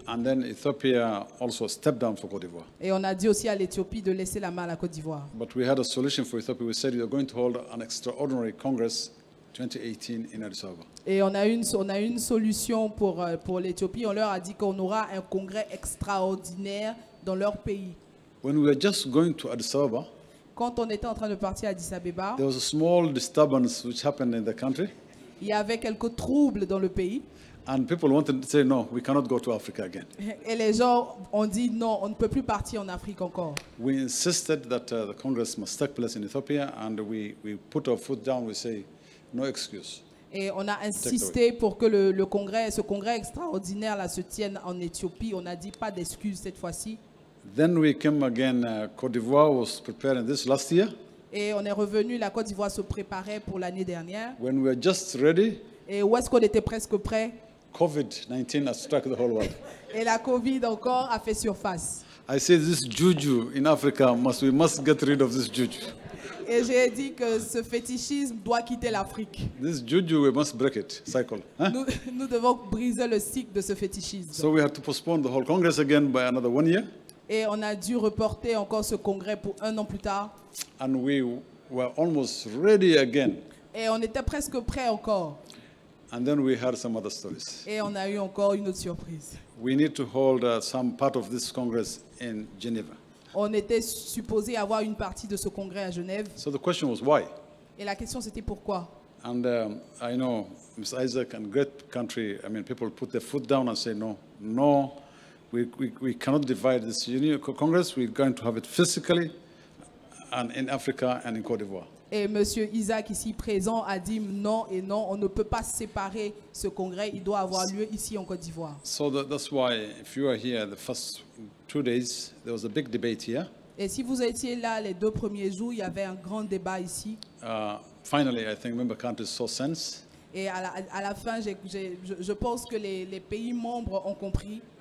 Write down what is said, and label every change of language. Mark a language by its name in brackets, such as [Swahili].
[English] And then Ethiopia also stepped down for Côte d'Ivoire. [French] Et on a dit aussi à l'Éthiopie de laisser la main à la Côte d'Ivoire. [English] But we had a solution for Ethiopia. We said we are going to hold an extraordinary congress 2018 in Addis Ababa. [French] Et on a une solution pour l'Éthiopie. On leur a dit qu'on aura un congrès extraordinaire dans leur pays. [English] When we were just going to Addis Ababa, [French] quand on était en train de partir à Addis Ababa, [English] there was a small disturbance which happened in the country. [French] Il y avait quelques troubles dans le pays. [English] And people wanted to say no, we cannot go to Africa again. [French] Et les gens ont dit non, on ne peut plus partir en Afrique encore. [English] We insisted that the congress must take place in Ethiopia, and we put our foot down. We say no excuse. [French] Et on a insisté pour que le congrès, ce congrès extraordinaire là, se tienne en Éthiopie. On a dit pas d'excuse cette fois-ci. [English] Then we came again. Côte d'Ivoire was preparing this last year. [French] Et on est revenu. La Côte d'Ivoire se préparait pour l'année dernière. [English] When we were just ready. [French] Et où est-ce qu'on était presque prêt? [English] COVID-19 has struck the whole world. [French] Et la COVID encore a fait surface. [English] I say this juju in Africa, we must get rid of this juju. [French] Et j'ai dit que ce fétichisme doit quitter l'Afrique. [English] This juju, we must break it, cycle. [French] Nous devons briser le cycle de ce fétichisme. [English] So we have to postpone the whole Congress again by another 1 year. [French] Et on a dû reporter encore ce congrès pour un an plus tard. [English] And we were almost ready again. [French] Et on était presque prêts encore. [English] And then we heard some other stories. [French] Et on a eu encore une autre surprise. [English] We need to hold some part of this congress in Geneva. [French] On était supposé avoir une partie de ce congrès à Genève. [English] So the question was why? [French] Et la question c'était pourquoi? [English] And I know Ms. Isaac and great country, I mean people put their foot down and say no, we cannot divide this union congress, we're going to have it physically and in Africa and in Côte d'Ivoire. [French] Et M. Isaac, ici présent, a dit non et non, on ne peut pas séparer ce congrès, il doit avoir lieu ici en Côte d'Ivoire. [English] So that's why, if you are here the first 2 days, there was a big debate here. [French] Et si vous étiez là les 2 premiers jours, il y avait un grand débat ici. [English] Finally, I think member countries saw sense. [French] Et à la fin, je pense que les pays membres ont compris.